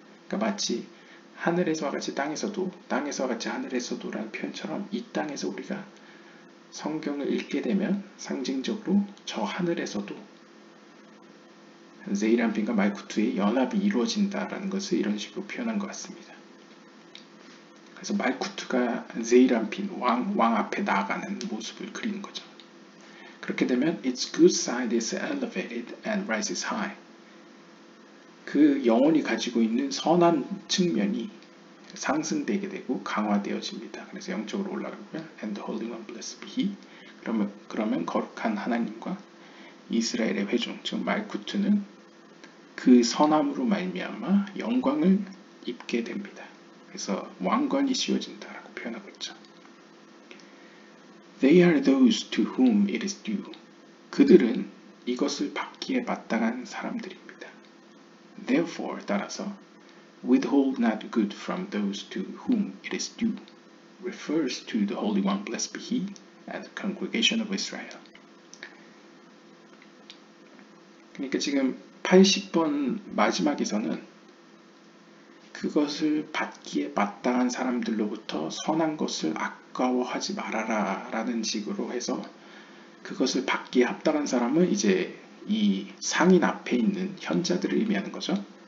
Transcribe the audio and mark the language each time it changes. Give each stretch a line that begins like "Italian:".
Korean: 그러니까 마치 하늘에서와 같이 땅에서도, 땅에서와 같이 하늘에서도라는 표현처럼 이 땅에서 우리가 성경을 읽게 되면 상징적으로 저 하늘에서도 제이람핀과 말쿠트의 연합이 이루어진다라는 것을 이런 식으로 표현한 것 같습니다. 그래서 말쿠트가 제이람핀 왕 앞에 나아가는 모습을 그리는 거죠. 그렇게 되면
English: its good side is elevated and rises high.
Korean: 그 영혼이 가지고 있는 선한 측면이 상승되게 되고 강화되어집니다. 그래서 영적으로 올라가고요.
English: And the Holy One blessed be He.
Korean: 그러면 거룩한 하나님과 이스라엘의 회중, 즉 말쿠트는 그 선함으로 말미암아 영광을 입게 됩니다. 그래서 왕관이 씌워진다라고 표현하고 있죠.
English: They are those to whom it is due.
Korean: 그들은 이것을 받기에 마땅한 사람들입니다.
English: Therefore,
Korean: 따라서
English: withhold not good from those to whom it is due refers to the Holy One, blessed be He, and the congregation of Israel.
Korean: 그러니까 지금 80번 마지막에서는 그것을 받기에 마땅한 사람들로부터 선한 것을 아까워하지 말아라 라는 식으로 해서 그것을 받기에 합당한 사람은 이제 이 상인 앞에 있는 현자들을 의미하는 거죠.